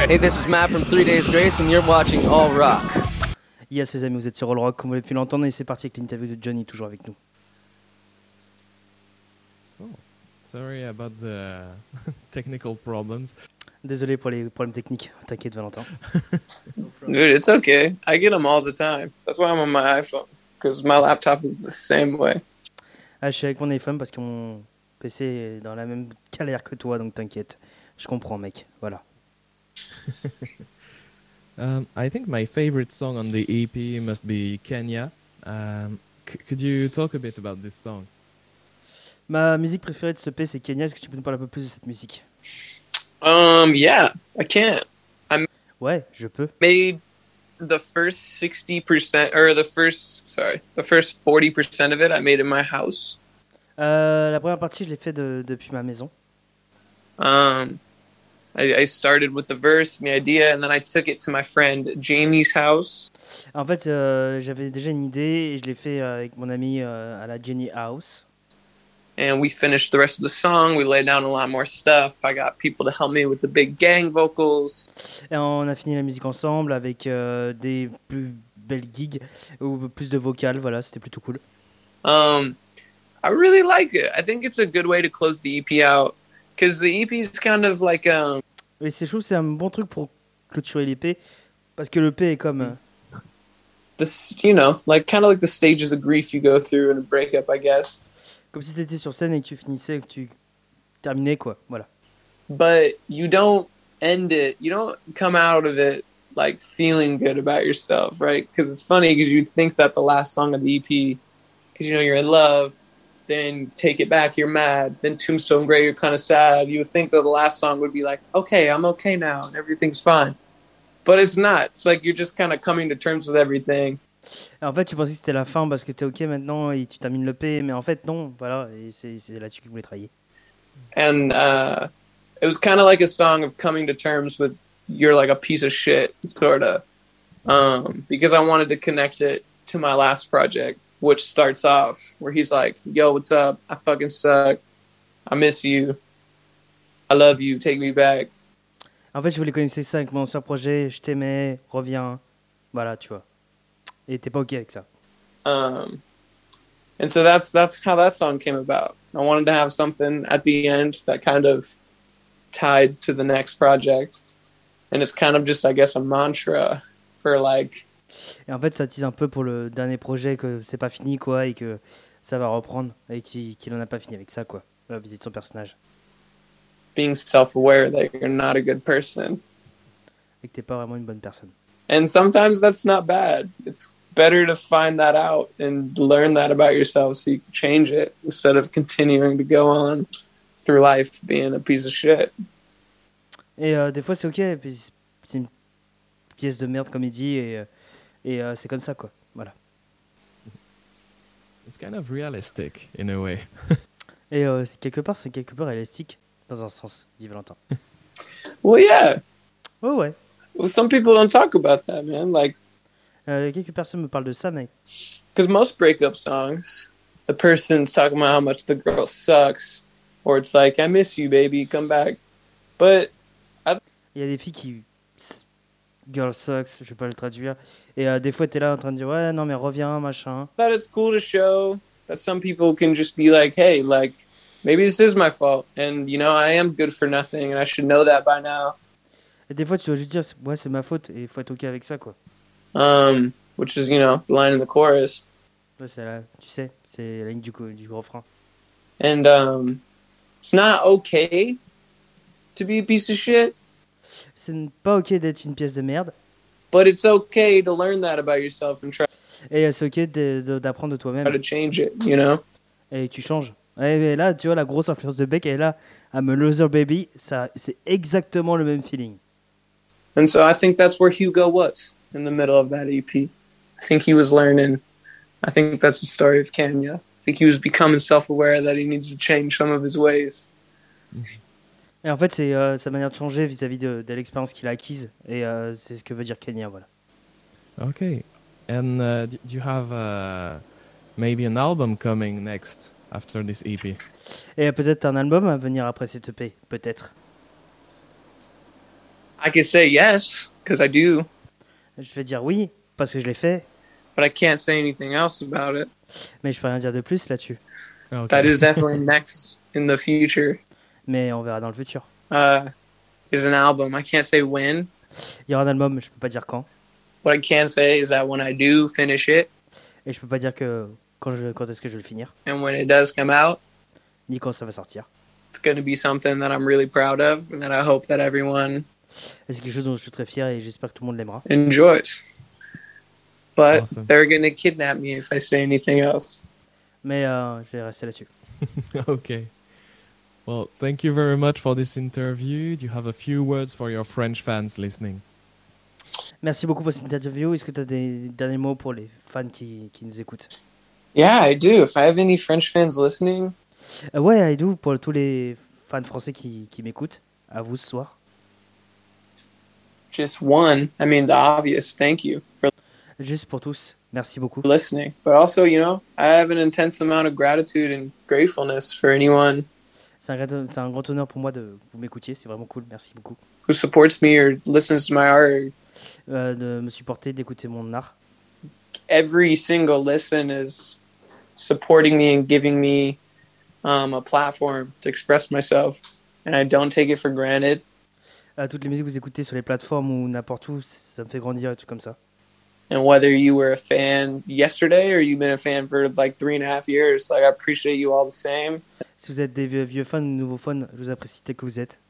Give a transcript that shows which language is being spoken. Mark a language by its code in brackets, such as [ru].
[en] Hey, this is Matt from 3 Days Grace, and you're watching All Rock. [fr] Yes, les amis, vous êtes sur All Rock, comme vous l'avez pu l'entendre, et c'est parti avec l'interview de Johnny, toujours avec nous. [en] Oh, sorry about the technical problems. [fr] Désolé pour les problèmes techniques. T'inquiète, Valentin. [en] Dude, it's okay. I get them all the time. That's why I'm on my iPhone, because my laptop is the same way. [fr] Ah, je suis avec mon iPhone parce que mon PC est dans la même galère que toi, donc t'inquiète. Je comprends, mec. Voilà. [en] I think my favorite song on the EP must be Kenya. Could you talk a bit about this song? [fr] Ma musique préférée de ce EP, c'est Kenya. Est-ce que tu peux nous parler un peu plus de cette musique? Ouais, je peux. [en] Made the first 60% or the first, sorry, the first 40% of it I made in my house. [fr] La première partie, je l'ai fait depuis ma maison. [en] I started with the verse, the idea, and then I took it to my friend Jamie's house. [fr] En fait, j'avais déjà une idée et je l'ai fait avec mon ami à la Jenny House. [en] And we finished the rest of the song. We laid down a lot more stuff. I got people to help me with the big gang vocals. [fr] Et on a fini la musique ensemble avec des plus belles gigs ou plus de vocales. Voilà, c'était plutôt cool. [en] I really like it. I think it's a good way to close the EP out. Because the EP is kind of like... [fr] Mais c'est, je trouve que c'est un bon truc pour clôturer l'EP. Parce que l'EP est comme... [en] Kind of like the stages of grief you go through in a breakup, I guess. [fr] Comme si tu étais sur scène et que tu finissais, que tu terminais, quoi, voilà. [en] But you don't end it, you don't come out of it like feeling good about yourself, right? Because it's funny, because you think that the last song of the EP, because you know you're in love, then Take It Back, you're mad, then Tombstone Gray, you're kind of sad. You would think that the last song would be like, okay, I'm okay now, and everything's fine. But it's not, it's like you're just kind of coming to terms with everything. [fr] En fait, tu pensais que c'était la fin parce que t'es ok maintenant et tu termines le P, mais en fait non, voilà, et c'est là-dessus que je voulais travailler. [en] And it was kind of like a song of coming to terms with you're like a piece of shit, sort of, because I wanted to connect it to my last project, which starts off where he's like, yo, what's up, I fucking suck, I miss you, I love you, take me back. [fr] En fait, je voulais connecter ça avec mon ancien projet, je t'aimais, reviens, voilà, tu vois. Et t'es pas ok avec ça. [en] And so that's how that song came about. I wanted to have something at the end that kind of tied to the next project. And it's kind of just, I guess, a mantra for like... [fr] Et en fait, ça tease un peu pour le dernier projet que c'est pas fini, quoi, et que ça va reprendre, et qu'il en a pas fini avec ça, quoi, la visite de son personnage. [en] Being self-aware that you're not a good person. [fr] Et que t'es pas vraiment une bonne personne. [en] And sometimes that's not bad. It's better to find that out and learn that about yourself so you can change it instead of continuing to go on through life being a piece of shit. [fr] Et des fois c'est ok, et puis c'est une pièce de merde comme il dit, et c'est comme ça, quoi. Voilà. [en] It's kind of realistic in a way. [fr] Et c'est quelque part réaliste dans un sens, dit Valentin. [en] Well, yeah. [fr] Oh, ouais. [en] Well, some people don't talk about that, man. Like, [fr] quelques personnes me parlent de ça, mec. [en] Because most breakup songs, the person's talking about how much the girl sucks, or it's like, I miss you, baby, come back. But [fr] il y a des filles qui [en] girl sucks. [fr] Je vais pas le traduire. Et des fois, t'es là en train de dire, ouais, non, mais reviens, machin. [en] But it's cool to show that some people can just be like, hey, like, maybe this is my fault, and you know, I am good for nothing, and I should know that by now. [fr] Et des fois, tu dois juste dire, ouais, c'est ma faute, et il faut être OK avec ça, quoi. [en] Which is, you know, the line in the chorus. [fr] Ouais, c'est là, tu sais, c'est la ligne du refrain. [en] And it's not okay to be a piece of shit. [fr] C'est pas OK d'être une pièce de merde. [en] But it's okay to learn that about yourself and try. [fr] Et c'est OK d'apprendre de toi-même. [en] Try to change it, you know. [fr] Et tu changes. Et là, tu vois, la grosse influence de Beck, elle est là. [en] I'm a loser baby, [fr] ça, c'est exactement le même feeling. [en] And so I think that's where Hugo was in the middle of that EP. I think he was learning. I think that's the story of Kenya. I think he was becoming self-aware that he needs to change some of his ways. [fr] Et en fait, c'est sa manière de changer vis-à-vis de l'expérience qu'il a acquise. Et c'est ce que veut dire Kenya, voilà. Ok. [en] And do you have maybe an album coming next after this EP? [fr] Et peut-être un album à venir après cette EP, peut-être. [en] I can say yes, because I do. [fr] Je vais dire oui, parce que je l'ai fait. [en] But I can't say anything else about it. [fr] Mais je peux rien dire de plus là-dessus. [en] Okay. That is definitely next in the future. [fr] Mais on verra dans le futur. [en] Is an album. I can't say when. [fr] Il y aura un album, mais je peux pas dire quand. [en] What I can say is that when I do finish it. [fr] Et je peux pas dire que quand est-ce que je vais le finir. [en] And when it does come out. [fr] Ni quand ça va sortir. [en] It's going to be something that I'm really proud of and that I hope that everyone. [fr] Et c'est quelque chose dont je suis très fier et j'espère que tout le monde l'aimera. [en] Enjoys. But awesome. They're going to kidnap me if I say anything else. [fr] Mais je vais rester là-dessus. [en] Okay. Well, thank you very much for this interview. Do you have a few words for your French fans listening? [fr] Merci beaucoup pour cette interview. Est-ce que tu as des derniers mots pour les fans qui nous écoutent? [en] Yeah, I do. If I have any French fans listening. Ouais, I do. [fr] Pour tous les fans français qui m'écoutent, à vous ce soir. [en] Just one. I mean, the obvious. Thank you. [fr] Juste pour tous. Merci beaucoup. [en] Listening. But also, you know, I have an intense amount of gratitude and gratefulness for anyone. [fr] C'est un grand honneur pour moi de vous m'écoutiez, c'est vraiment cool, merci beaucoup. [en] Who supports me or listens to my art. [fr] De me supporter, d'écouter mon art. [en] Every single listen is supporting me and giving me a platform to express myself. And I don't take it for granted. [fr] Toutes les musiques que vous écoutez sur les plateformes ou n'importe où, ça me fait grandir et tout comme ça. [en] And whether you were a fan yesterday or you've been a fan for like 3.5 years, like I appreciate you all the same. [fr] Si vous êtes des vieux fans, nouveaux fans, je vous apprécie tel que vous êtes.